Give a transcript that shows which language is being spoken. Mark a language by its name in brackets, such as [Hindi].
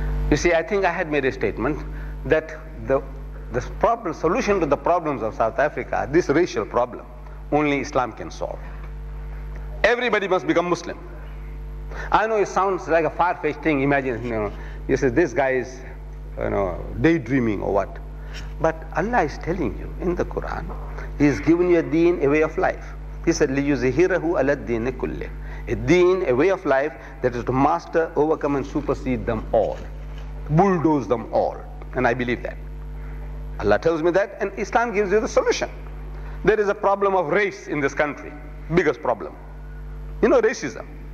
[English] You see, I think I had made a statement that the problem, solution to the problems of South Africa, this racial problem, only Islam can solve. Everybody must become Muslim. I know it sounds like a far-fetched thing. Imagine, you know, you say this guy is, you know, daydreaming or what. But Allah is telling you in the Quran, He has given you a deen, a way of life. [Arabic] He said, لِيُزِهِرَهُ عَلَى الدِّينِ كُلِّهِ. [English] A deen, a way of life that is to master, overcome and supersede them all. Bulldoze them all. And I believe that. Allah tells me that, and Islam gives you the solution. There is a problem of race in this country. Biggest problem. You know, racism.